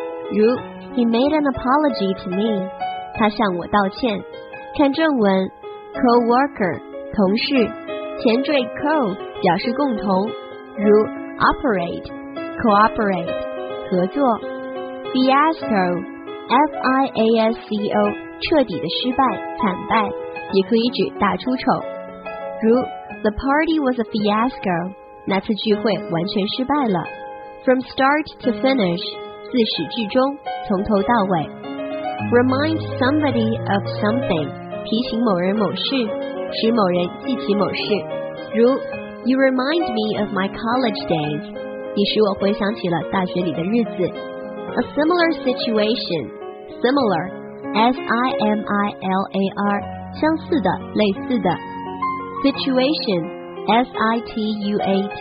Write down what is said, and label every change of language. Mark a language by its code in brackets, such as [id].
[en] 如 ，He made an apology to me. [zh] 他向我道歉。看正文 ，co-worker 同事，前缀 co 表示共同，如 operate、cooperate 合作。 fiasco F-I-A-S-C-O 彻底的失败、惨败，也可以指大出丑，如 [en] the party was a fiasco， [zh] 那次聚会完全失败了。 [en] from start to finish [zh] 自始至终，从头到尾。 [en] Remind somebody of something [zh] 提醒某人某事使某人记起某事如 [en] You remind me of my college days [zh] 你使我回想起了大学里的日子 [en] A similar situation [zh] Similar S-I-M-I-L-A-R 相似的类似的 Situation S-I-T-U-A-T-I-O-N